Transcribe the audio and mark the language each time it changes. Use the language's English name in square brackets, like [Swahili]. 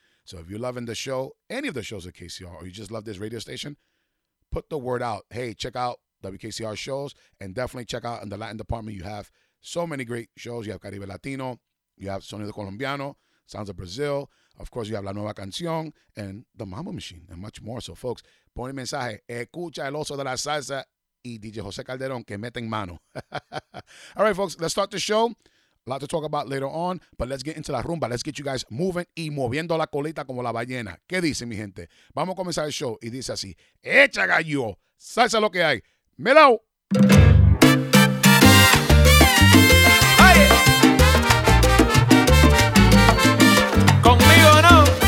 [English] So if you're loving the show, any of the shows at KCR, or you just love this radio station, put the word out. Hey, check out WKCR shows, and definitely check out in the Latin department. You have so many great shows. You have Caribe Latino, you have Sonido Colombiano, Sounds of Brazil. Of course, you have La Nueva Canción and The Mambo Machine and much more. So folks, [Spanish] pon el mensaje, escucha el oso de la salsa y DJ José Calderón que meten mano. [English] All right, folks, let's start the show. A lot to talk about later on, but let's get into [Spanish] la rumba. [English] Let's get you guys moving [Spanish] y moviendo la colita como la ballena. ¿Qué dice, mi gente? Vamos a comenzar el show y dice así. ¡Echa gallo! ¡Salsa lo que hay! ¡Melao! ¡Conmigo no!